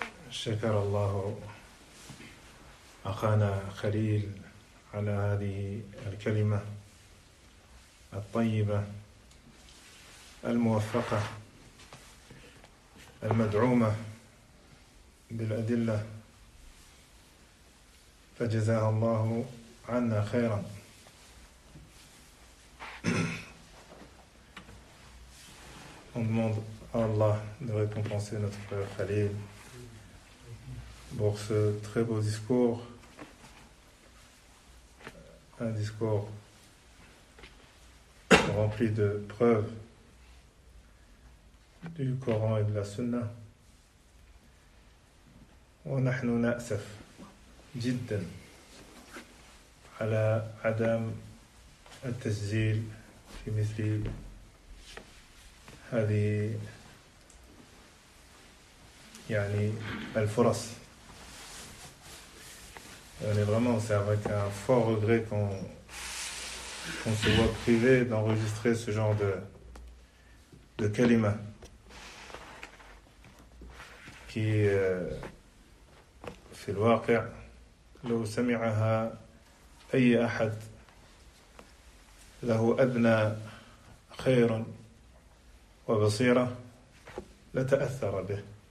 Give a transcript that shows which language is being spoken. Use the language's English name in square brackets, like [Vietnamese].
[Arabic] شكر الله أخانا خليل على هذه الكلمة الطيبة الموفقة المدعومة بالأدلة، فجزاه الله عنا خيرا. [French] On demande à Allah de récompenser notre frère Khalil pour ce très beau discours, un discours rempli de preuves du Coran et de la Sunna. [Arabic] ونحن نأسف جدا على عدم التسجيل في مثل هذه يعني الفرص. [French] يعني vraiment c'est avec un fort regret qu'on se voit privé d'enregistrer ce genre de kalima qui [Arabic] في الواقع لو سمعها أي أحد له أدنى خير وبصيرة لتأثر به.